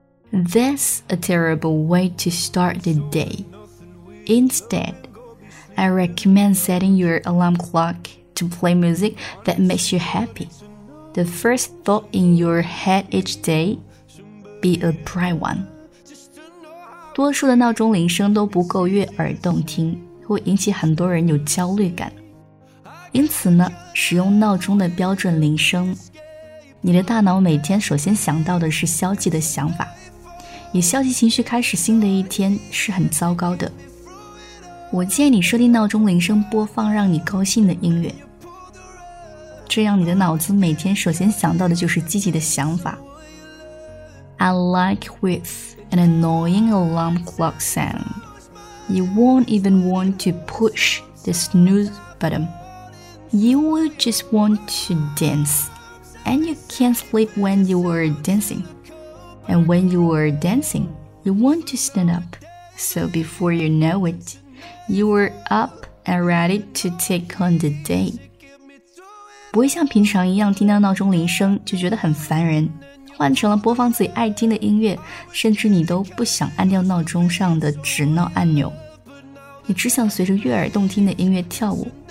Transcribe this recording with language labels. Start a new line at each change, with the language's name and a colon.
English: That's a terrible way to start the day. Instead, I recommend setting your alarm clock to play music that makes you happy. The first thought in your head each day, be a bright one.
Chinese: 多数的闹钟铃声都不够悦耳动听，会引起很多人有焦虑感。因此呢，使用闹钟的标准铃声，你的大脑每天首先想到的是消极的想法，以消极情绪开始新的一天是很糟糕的。我建议你设定闹钟铃声播放让你高兴的音乐，这样你的脑子每天首先想到的就是积极的想法。
English: I like with an annoying alarm clock soundYou won't even want to push the snooze button. You will just want to dance. And you can't sleep when you are dancing. And when you are dancing, you want to stand up. So before you know it, you are up and ready to take on the day.
Chinese: 不会像平常一样听到闹钟铃声就觉得很烦人，换成了播放自己爱听的音乐，甚至你都不想按掉闹钟上的止闹按钮，你只想随着悦耳动听的音乐跳舞。